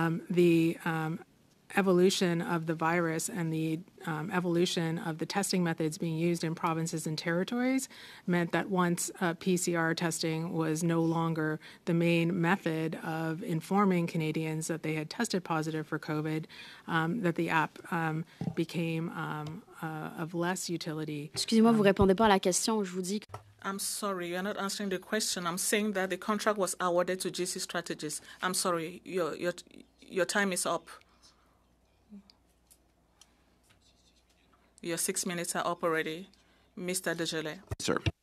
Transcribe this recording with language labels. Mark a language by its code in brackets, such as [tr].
[en] The evolution of the virus and the evolution of the testing methods being used in provinces and territories meant that once PCR testing was no longer the main method of informing Canadians that they had tested positive for COVID, that the app became of less utility. [fr] Excusez-moi, vous répondez pas à la question, je vous dis que... [en] I'm sorry, you're not answering the question. I'm saying that the contract was awarded to GC Strategies. I'm sorry, your time is up. Your 6 minutes are up already, Mr. Dejele. Sir.